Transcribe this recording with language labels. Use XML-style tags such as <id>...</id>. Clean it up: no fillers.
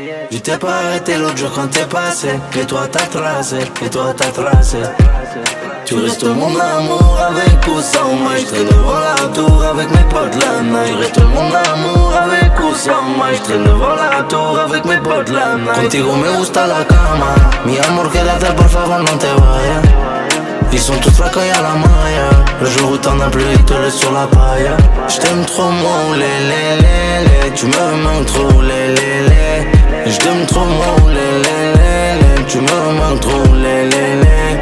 <fr>Je t'ai pas arrêté l'autre jour quand t'es passé. Et toi t'as tracé, et toi t'as tracé. Tu restes mon amour avec ou sans moi. J'traîne devant la tour avec mes potes la night. Tu restes mon amour avec ou sans moi. J'traîne devant la tour avec mes potes la night.</fr> <es>Contigo me gusta la cama. Mi amor, quédate, por favor, no te vayas.</es> <fr>Ils sont tous là quand y'a la maille. Le jour où t'en as plus, ils te laissent sur la paille. J't'aime trop mon lé. Tu me manques trop lé. J't'aime trop mon lé. Tu me manques trop lé.</fr>